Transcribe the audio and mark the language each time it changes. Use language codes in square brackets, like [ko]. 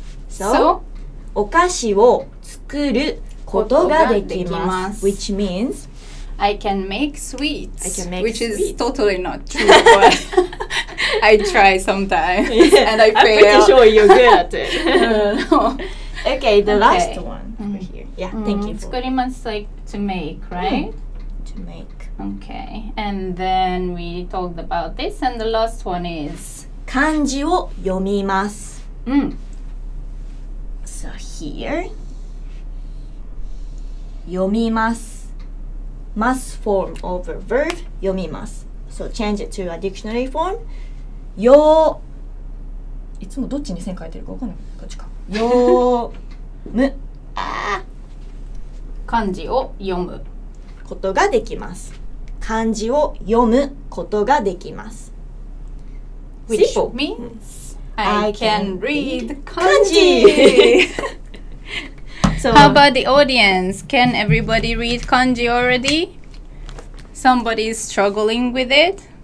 [en] So [ja] お菓子を作ることができます。 [en] Which means... I can make sweets, I can make which sweets. Is totally not true, but I try sometimes, yeah, and I fail. I'm pretty sure you're good at it. okay, the last one over here. Yeah, thank you. [ja] 作ります [en] like to make, right? To make. Okay, and then we talked about this, and the last one is? [ja] 漢字を読みます。 [en] So here, [ja] 読みます。 [en] Must form of a verb, [ja] 読みます。 [en] So change it to a dictionary form. [ja] よいつもどっちに線書いてるか分かんない。どっちか。よむ。漢字を読むことができます。漢字を読むことができます。 [en] Which means I can read 漢字So, How about the audience? Can everybody read kanji already? Somebody is struggling with it?